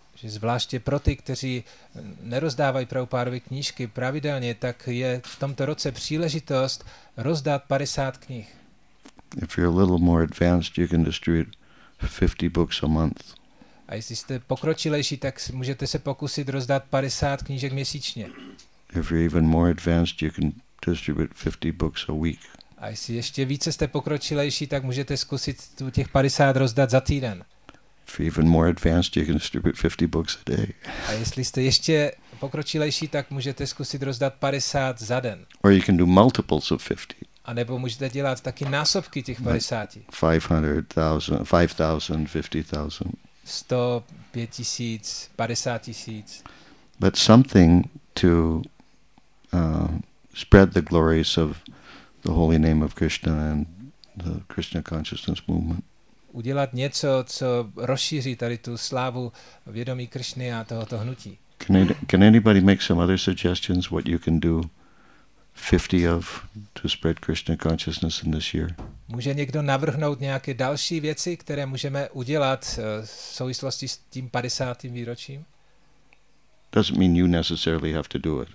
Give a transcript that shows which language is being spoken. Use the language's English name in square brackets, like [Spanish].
[Czech] Že zvláště pro ty, kteří nerozdávají Prabhupádovy knížky pravidelně, tak je v tomto roce příležitost rozdát 50 knih. [English] If you're a little more advanced, you can distribute 50 books a month. [Czech] A jestli jste pokročilejší, tak můžete se pokusit rozdát 50 knížek měsíčně. [English] If you're even more advanced, you can distribute 50 books a week. [Czech] A jestli ještě více jste pokročilejší, tak můžete zkusit těch 50 rozdat za týden. [English] If you're even more advanced, you can distribute 50 books a day. [Czech] A jestli jste ještě pokročilejší, tak můžete zkusit rozdat 50 za den. [English] Or you can do multiples of 50. [Czech] A nebo můžete dělat taky násobky těch 50. [English] 500,000, 50,000. [Czech] 100, 5,000, 50,000. [English] But something to spread the glories of the holy name of Krishna and the Krishna consciousness movement. [Czech] Udělat něco, co rozšíří tady tu slávu vědomí Kršny a tohoto hnutí. [English] Can anybody make some other suggestions what you can do 50 of to spread Krishna consciousness in this year? [Czech] Může někdo navrhnout nějaké další věci, které můžeme udělat v souvislosti s tím 50. výročím? [English] Doesn't mean you necessarily have to do it.